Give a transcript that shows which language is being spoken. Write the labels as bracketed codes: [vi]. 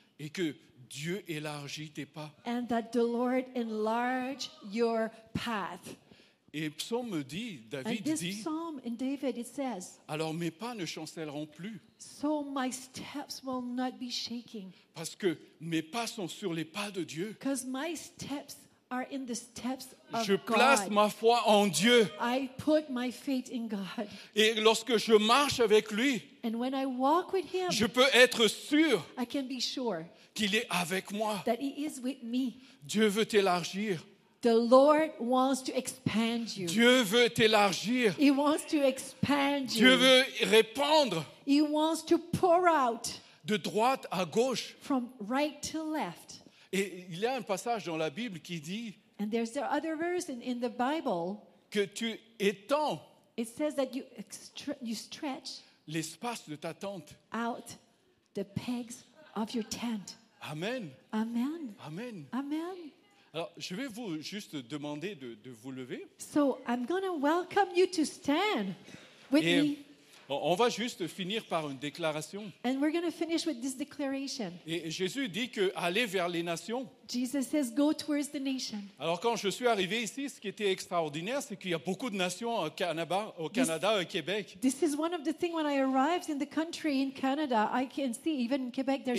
[fr] et que Dieu élargit tes pas, [en] and that the Lord enlarge your path. [fr] Et Psaume dit, David [en] and this [fr] dit, [en] Psalm in David it says, [fr] alors mes pas ne chancelleront plus. [en] So my steps will not be shaking. [fr] Parce que mes pas sont sur les pas de Dieu. [en] Because my steps are in the steps of God. [fr] Je place ma foi en Dieu. [en] I put my faith in God. [fr] Et lorsque je marche avec lui, [en] and when I walk with him, [fr] je peux être sûr. [en] I can be sure [fr] qu'il est avec moi. [en] That he is with me. [fr] Dieu veut t'élargir. [en] The Lord wants to expand you. [fr] Dieu veut t'élargir. [en] He wants to expand you. [fr] Dieu veut répandre. [en] He wants to pour out. [fr] De droite à gauche. [en] From right to left. [fr] Et il y a un passage dans la Bible qui dit. [en] And there's the other verse in the Bible. [fr] Que tu étends. [en] It says that you stretch. [fr] L'espace de ta tente. [en] Out the pegs of your tent. Amen. Amen. Amen. Amen. [fr] Alors, je vais vous juste demander de vous lever. [en] So, I'm going to welcome you to stand with [fr] et [en] me. [fr] On va juste finir par une déclaration. [en] And we're going to finish with this declaration. [fr] Et Jésus dit que aller vers les nations. [en] Jesus says go towards the nation. [fr] Alors, quand je suis arrivé ici, ce qui était extraordinaire, c'est qu'il y a beaucoup de nations au Canada, au Québec. [en] This is one of the things when I arrived in the country in Canada, I can see even in Quebec there's